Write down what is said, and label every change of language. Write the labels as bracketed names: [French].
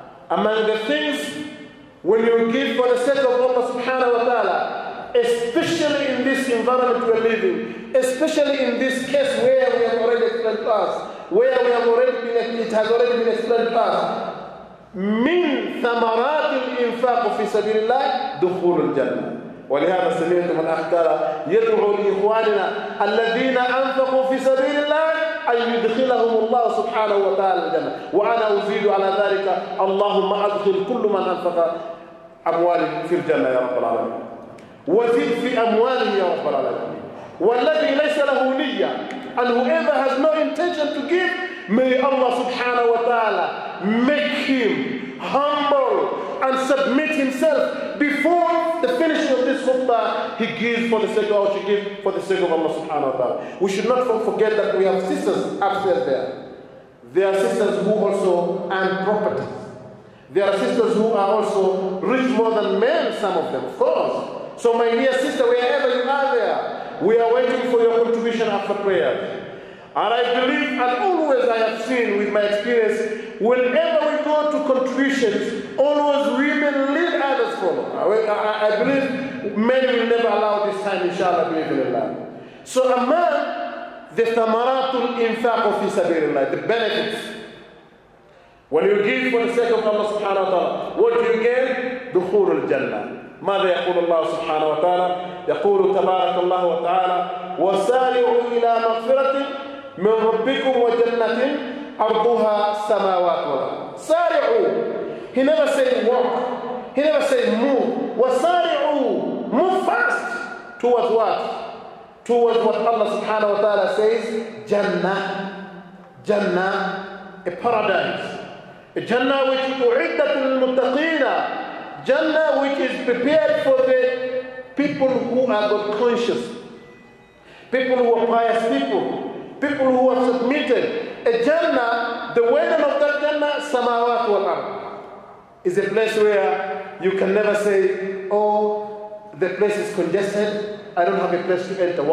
[English] Among the things when you give for the sake of Allah subhanahu wa ta'ala, especially in this environment we're living, especially in this case where we have already explained past, where we have already been, it has already been explained past, [Arabic] من ثمرات الإنفاق في سبيل الله [English] دخول الجنة. [Arabic] ولهذا سمعتم الأخ قال يدعو لإخواننا الذين أنفقوا في سبيل الله أن يدخلهم الله سبحانه وتعالى الجنة. وأنا أزيد على ذلك اللهم أدخل كل من أنفق أموالي في الجنة يا رب العالمين. وزد في أمواله يا رب العالمين. والذي ليس له نية, [English] and whoever has no intention to give, may Allah subhanahu wa ta'ala make him humble and submit himself before the finishing of this khutbah. He gives for the sake of Allah, she gives for the sake of Allah subhanahu wa ta'ala. We should not forget that we have sisters upstairs there. There are sisters who also earn properties. There are sisters who are also rich more than men, some of them, of course. So my dear sister, wherever you are there, we are waiting for your contribution after prayer. And I believe, and always I have seen with my experience, whenever we go to contributions, always women lead others follow. I believe men will never allow this time, inshallah, believe in Allah. So a man, the [Arabic] thamaratul infaq fi sabilillah, [English] the benefits. When you give for the sake of Allah subhanahu wa ta'ala, what do you gain? [Arabic] Dukhul al-jannah. ماذا يقول الله سبحانه وتعالى؟ يقول تبارك الله وتعالى وسارعوا إلى مغفرة من ربكم وجنة أرضها السماوات والأرض. سارعوا. [English] He never said walk. He never said move. [Arabic] وسارعوا. [English] Move fast. Towards what? Towards what Allah [Arabic] سبحانه وتعالى [English] says. [Arabic] جنة. جنة. [English] A paradise. A [Arabic] جنة [English] which [Arabic] أعدت للمتقين. [English] Jannah which is prepared for the people who are God conscious, people who are pious people, people who are submitted. A Jannah, the wedding of that Jannah, [Arabic] samawat wal ard, [English] is a place where you can never say, oh, the place is congested, I don't have a place to enter.